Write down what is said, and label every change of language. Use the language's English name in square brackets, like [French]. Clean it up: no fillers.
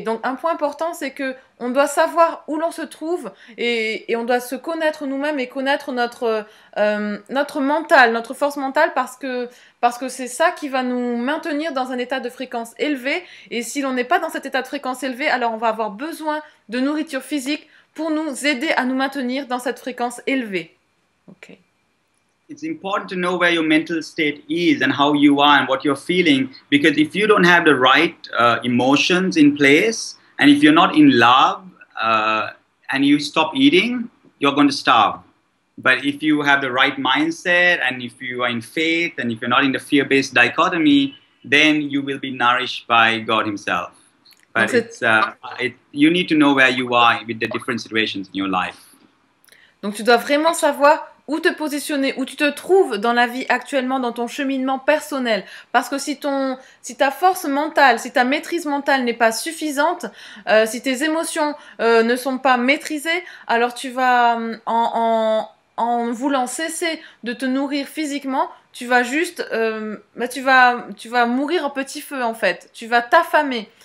[French] Donc, un point important, c'est qu'on doit savoir où l'on se trouve et on doit se connaître nous-mêmes et connaître notre mental, notre force mentale, parce que c'est ça qui va nous maintenir dans un état de fréquence élevé. Et si l'on n'est pas dans cet état de fréquence élevé, alors on va avoir besoin de nourriture physique pour nous aider à nous maintenir dans cette fréquence élevée. Ok. [English] It's important to know where your mental state is and how you are and what you're feeling, because if you don't have the right emotions in place, and if you're not in love and you stop eating, you're going to starve. But if you have the right mindset, and if you are in faith, and if you're not in the fear-based dichotomy, then you will be nourished by God himself. But you need to know where you are with the different situations in your life. [French] Donc tu dois vraiment savoir où te positionner, où tu te trouves dans la vie actuellement, dans ton cheminement personnel. Parce que si ta force mentale, si ta maîtrise mentale n'est pas suffisante, si tes émotions ne sont pas maîtrisées, alors tu vas, en voulant cesser de te nourrir physiquement, tu vas juste, tu vas mourir en petit feu en fait. Tu vas t'affamer.